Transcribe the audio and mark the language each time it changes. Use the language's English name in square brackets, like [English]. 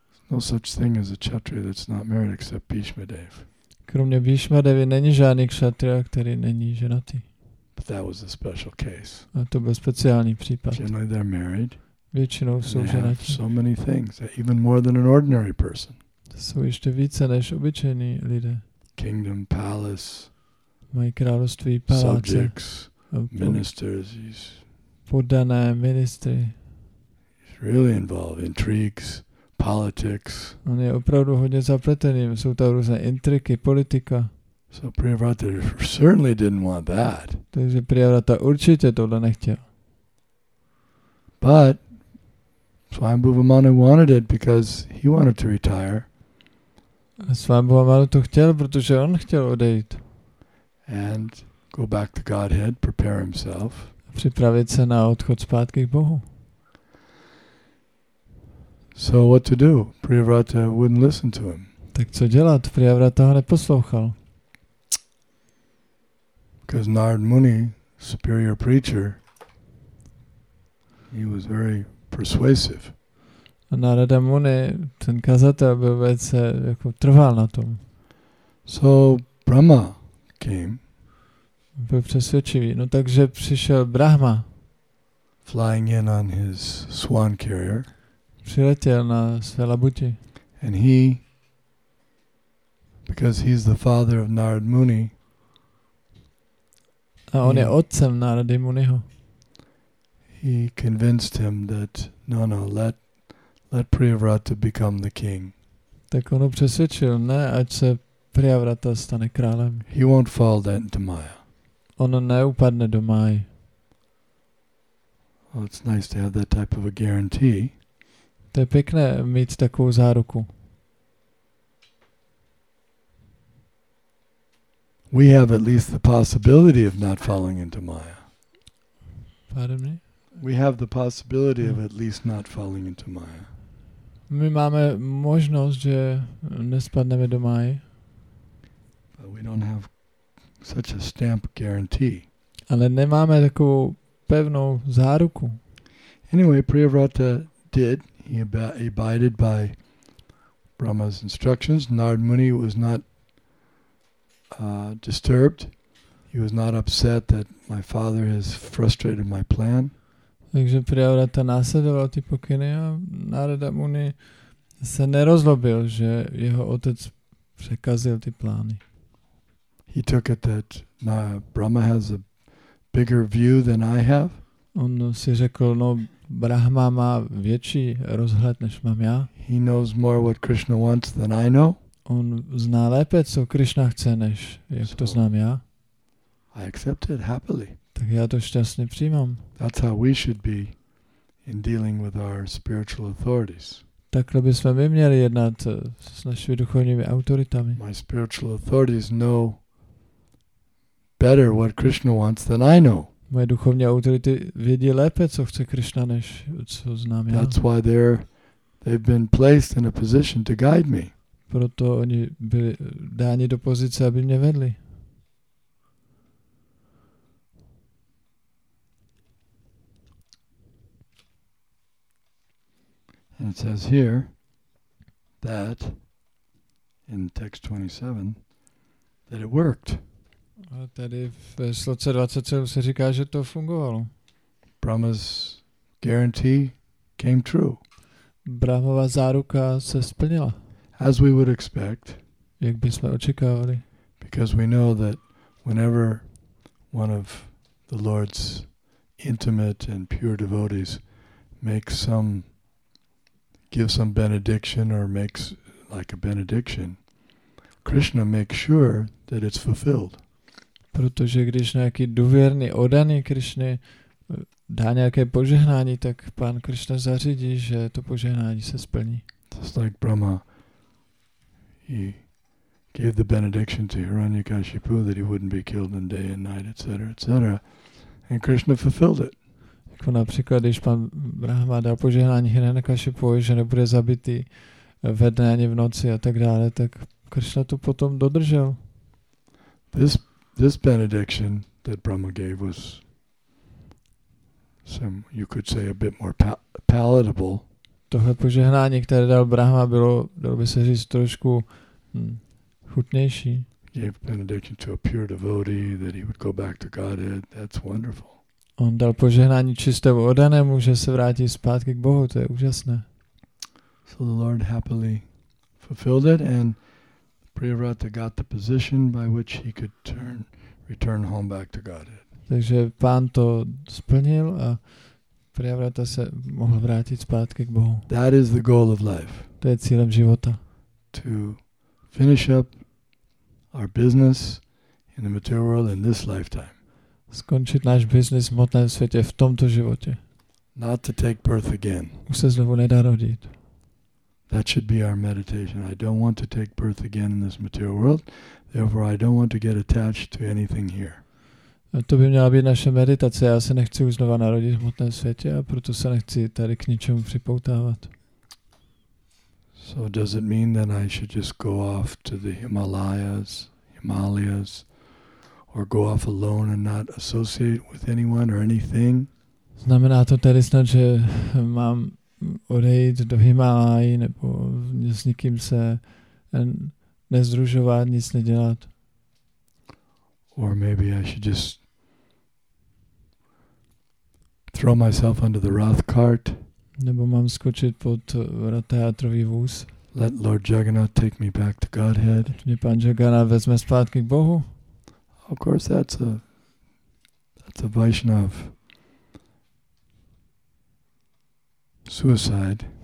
[English] No such thing as a kshatriya that's not married except Bhishma Dev. [Czech] Kromě Bhishma Devi není žádný kshatriya, který není ženatý. [English] But that was a special case. [Czech] A to byl speciální případ. [English] Generally they're married. [Czech] Většinou jsou ženatí. [English] So many things, even more than an ordinary person. [Czech] Jsou ještě více než obyčejní lidé. [English] Kingdom, palace. [Czech] Mají království, paláce. [English] Subjects, ministers, [Czech] poddané ministry. [English] He's really involved in intrigues, politics. [Czech] On je opravdu hodně zapletený, jsou tam různé intriky, politika. [English] So Priyavrata certainly didn't want that. [Czech] Takže Priyavrata určitě tohle nechtěl. [English] But Swayambhu Vamana wanted it because he wanted to retire. [Czech] Swayambhu Vamana to chtěl, protože on chtěl odejít. [English] And go back to Godhead, prepare himself. [Czech] Připravit se na odchod zpátky k Bohu. [English] So what to do? Priyavrata wouldn't listen to him. [Czech] Tak co dělat? Priyavrata ho neposlouchal. [English] Because Narad Muni, superior preacher, he was very persuasive. [Czech] A Narada Muni, ten kazatel, byl velice jako trval na tom. [English] So Brahma came. [Czech] Byl přesvědčivý. No takže přišel Brahma. [English] Flying in on his swan carrier. [Czech] Přiletěl na své labuti. [English] And he, because he's the father of Narad Muni, [Czech] a on je otcem Narady Muniho. [English] He convinced him that no, let Priyavrata become the king. [Czech] Tak on ho přesvědčil, ne, ať se Priyavrata stane králem. [English] He won't fall then to Maya. [Czech] On neupadne do Máji. [English] Well, it's nice to have that type of a guarantee. [Czech] To je pěkné mít takovou záruku. [English] We have at least the possibility of not falling into Maya. Pardon me? We have the possibility of at least not falling into Maya. [Czech] My máme možnost, že nespadneme do Máji. [English] But we don't have such a stamp guarantee. [Czech] Ale nemáme takovou pevnou záruku. [English] Anyway, Priyavrata did. He abided by Brahma's instructions. Narad Muni was not disturbed. He was not upset that my father has frustrated my plan. [Czech] Takže Priyavrata následoval ty pokyny a Narada Muni se nerozlobil, že jeho otec překazil ty plány. [English] He took it that Brahma has a bigger view than I have. [Czech] On si řekl, no, Brahma má větší rozhled, než mám já. [English] He knows more what Krishna wants than I know. [Czech] On zná lépe, co Krishna chce, než jak to znám já. [English] I accept it happily. [Czech] Tak já to šťastně přijímám. [English] That's how we should be in dealing with our spiritual authorities. [Czech] Takhle bychom my měli jednat s našimi duchovními autoritami. [English] My spiritual authorities know better what Krishna wants than I know. [Czech] Moje duchovní autority vědí lépe, co chce Krishna, než co znám já. [English] That's why they've been placed in a position to guide me. [Czech] Proto oni byli dáni do pozice, aby mě vedli. [English] And it says here that in text 27 that it worked. [Czech] A tady v sloce 27 se říká, že to fungovalo. [English] Brahma's guarantee came true. [Czech] Brahmova záruka se splnila. [English] As we would expect, [Czech] jak bychom očekávali, [English] because we know that whenever one of the Lord's intimate and pure devotees gives some benediction or makes like a benediction, Krishna makes sure that it's fulfilled. [Czech] Protože když nějaký důvěrný oddaný Krishna dá nějaké požehnání, tak pán Krishna zařídí, že to požehnání se splní. [English] Just like Brahma. He gave the benediction to Hiranyakashipu that he wouldn't be killed in day and night, etc., etc. And Krishna fulfilled it. [Czech] Jako například, když pan Brahma dal požehnání Hiranyakashipovi, že nebude zabitý ve dne ani v noci a tak dále, tak Krishna to potom dodržel. [English] This benediction that Brahma gave was some, you could say, a bit more palatable. [Czech] Tohle požehnání, které dal Brahma, bylo, dalo by se říct, trošku chutnější. [English] Gave benediction to a pure devotee that he would go back to Godhead. That's wonderful. [Czech] On dal požehnání čistému oddanému, že se vrátí zpátky k Bohu. To je úžasné. [English] So the Lord happily fulfilled it and Priyavrata got the position by which he could return home back to Godhead. [Czech] Takže pán to splnil a Prijavrata [Slovak] sa mohol vrátiť [Czech] zpátky k Bohu. [English] That is the goal of life. [Slovak] To je cieľom života. [English] To finish up our business in the material world in this lifetime. [Slovak] Skončiť náš biznis v hmotnom svete v tomto živote. [English] Not to take birth again. [Slovak] Už sa znovu nedá rodiť. [English] That should be our meditation. I don't want to take birth again in this material world. Therefore, I don't want to get attached to anything here. [Czech] To by měla být naše meditace. Já se nechci už znova narodit v hmotném světě a proto se nechci tady k ničemu připoutávat. [English] So does it mean that I should just go off to the Himalayas or go off alone and not associate with anyone or anything? [Czech] Znamená to tedy snad, že mám odejít do Himalají nebo s nikým se nezdružovat, nic nedělat? [English] Or maybe I should just throw myself under the wrath cart. [Czech] Nebo mám skočit pod ratajátrový vůz. [English] Let Lord Jagannath take me back to Godhead. [Czech] Mě pán Jagannath vezme zpátky k Bohu. [English] Of course that's a Vaishnav suicide.